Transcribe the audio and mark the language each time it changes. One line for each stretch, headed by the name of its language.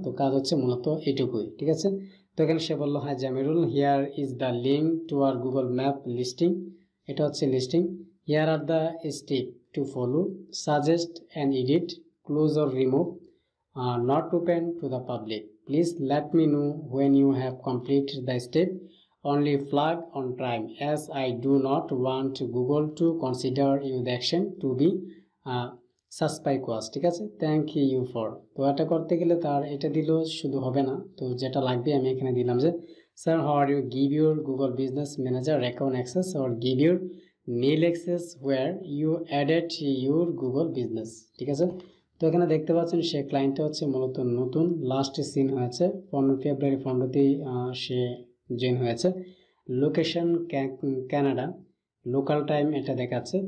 Bangla: তো কাজ হচ্ছে মূলত এইটুকুই। ঠিক আছে, তো এখানে সে বললো হ্যাঁ Jamirul,
English: here is the link to our Google map listing,
Bangla: এটা হচ্ছে listing,
English: Here are the step to follow, suggest and edit, close or remove, not open to the public, please let me know when you have complete the step only flag on time as I do not want Google to consider your action to be suspicious.
Bangla: ঠিক আছে,
English: Thank you for.
Bangla: তো এটা করতে গেলে তার এটা দিলেও শুধু হবে না, তো যেটা লাগবে আমি এখানে দিলাম যে sir
English: How are you give your Google business manager account access or give your mail access where you added your Google business.
Bangla: ঠিক আছে, তো এখানে দেখতে পাচ্ছেন সে ক্লায়েন্টটা হচ্ছে মূলত নতুন, লাস্ট সিন হয়েছে 15 ফেব্রুয়ারি সে জয়েন হয়েছে, লোকেশন ক্যানাডা, লোকাল টাইম এটা দেখাচ্ছে।